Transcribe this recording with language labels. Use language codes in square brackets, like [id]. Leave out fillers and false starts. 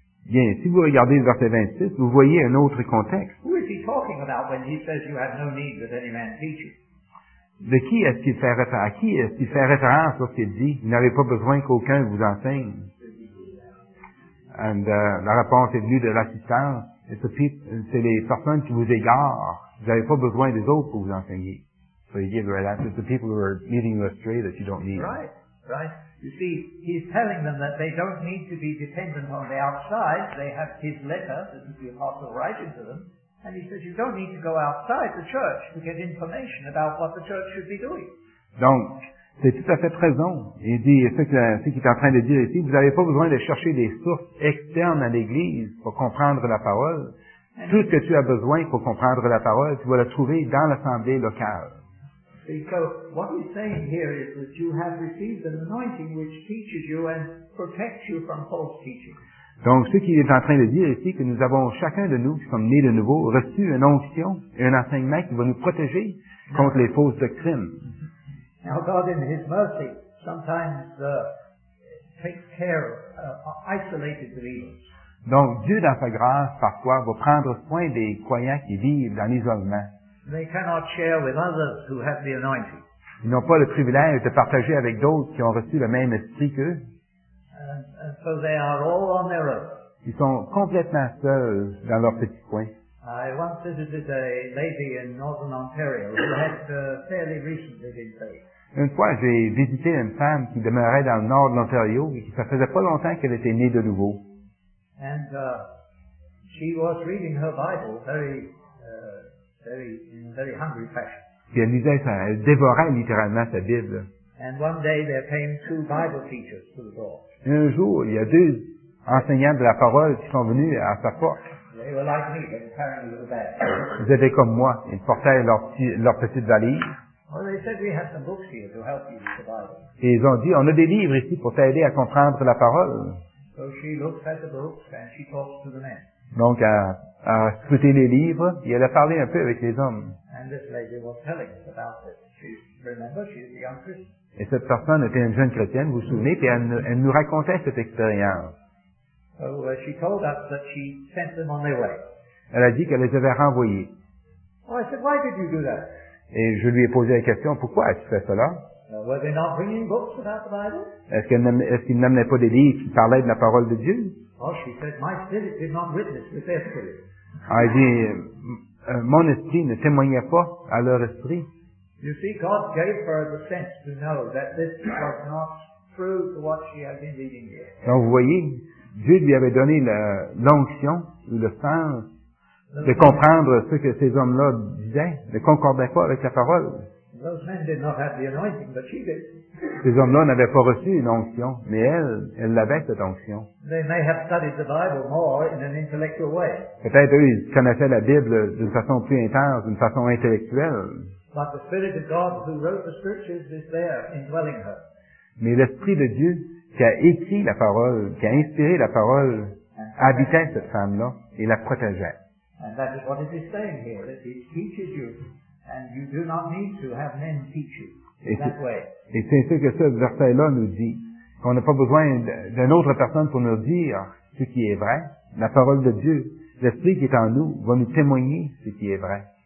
[fr] Bien, si vous regardez le verset 26, vous voyez un autre contexte. [en] Who is he talking about when he says you have no need that any man teach you? [fr] De qui est-ce qu'il fait référence? À qui est-ce qu'il fait référence lorsqu'il dit, vous n'avez pas besoin qu'aucun vous enseigne? And la réponse est venue de l'assistance. C'est les personnes qui vous égarent. Vous n'avez pas besoin des autres pour vous enseigner. [en] So he gives right answer. It's the people who are leading you astray that you don't need. Right. You see, he's telling them that they don't need to be dependent on the outside. They have his letter that the apostle writing to them. And he says, you don't need to go outside the church to get information about what the church should be doing. [fr] Donc, c'est tout à fait raison. Il dit, ce qu'il est en train de dire ici, vous n'avez pas besoin de chercher des sources externes à l'église pour comprendre la parole. And tout ce que tu as besoin pour comprendre la parole, tu vas la trouver dans l'assemblée locale. [en] So what he's saying here is that you have received an anointing which teaches you and protects you from false teaching. [fr] Donc, ce qu'il est en train de dire ici, que nous avons chacun de nous qui sommes nés de nouveau reçu une onction et un enseignement qui va nous protéger contre les fausses doctrines. [en] Now, God, in His mercy, sometimes takes care of isolated believers. [fr] Donc, Dieu, dans sa grâce, parfois va prendre soin des croyants qui vivent dans l'isolement. [en] They cannot share with others who have the anointing. [fr] Ils n'ont pas le privilège de partager avec d'autres qui ont reçu le même esprit qu'eux. [en] And so they are all on their own. [fr] Ils sont complètement seuls dans leur petit coin. [en] I once visited a lady in Northern Ontario who had fairly recently been saved. [fr] Une fois, j'ai visité une femme qui demeurait dans le nord de l'Ontario et ça faisait pas longtemps qu'elle était née de nouveau. [en] And she was reading her Bible very, very, in a very hungry fashion. [fr] Puis elle lisait ça, elle dévorait littéralement sa Bible. [en] And one day there came two Bible teachers to the door. [fr] Et un jour, il y a deux enseignants de la parole qui sont venus à sa porte. [en] They were like me, but apparently they were bad. [fr] Ils étaient comme moi, ils portaient leur petite valise. [en] Well, they said we have some books here to help you with the Bible. [fr] Et ils ont dit, on a des livres ici pour t'aider à comprendre la parole. [en] So she looked at the books and she talked to the men. [fr] Donc, à scruter les livres, et elle a parlé un peu avec les hommes. [en] And this lady was telling us about it. Remember, she is a young Christian. [fr] Et cette personne était une jeune chrétienne, vous vous souvenez, puis elle nous racontait cette expérience. [en] So, she told us that she sent them on their way. [fr] Elle a dit qu'elle les avait renvoyés. [en] Well, I said, why did you do that? [fr] Et je lui ai posé la question, pourquoi as-tu fait cela? Est-ce qu'ils n'amenaient pas des livres qui parlaient de la parole de Dieu? [en] Oh, she said, my spirit did not witness with their spirit. [fr] Elle dit, mon esprit ne témoignait pas à leur esprit. [en] You see, God gave her the sense to know that this was not true to what she had been reading here. [fr] Donc vous voyez, Dieu lui avait donné l'onction ou le sens de comprendre ce que ces hommes-là disaient, ne concordaient pas avec la parole. [en] Those men did not have the anointing, but she did. [fr] Ces hommes-là n'avaient pas reçu une onction, mais elle l'avait cette onction. [en] They may have studied the Bible more in an intellectual way. [fr] Peut-être eux, ils connaissaient la Bible d'une façon plus intense, d'une façon intellectuelle. [en] But the Spirit of God who wrote the Scriptures is there indwelling her. [fr] Mais l'Esprit de Dieu qui a écrit la parole, qui a inspiré la parole, habitait cette femme-là et la protégeait. [en] And that is what it is saying here, that it teaches you, and you do not need to have men teach you in that way. [fr] Et c'est ce que ce verset-là nous dit, qu'on n'a pas besoin d'une autre personne pour nous dire ce qui est vrai. La parole de Dieu, l'Esprit qui est en nous, va nous témoigner ce qui est vrai.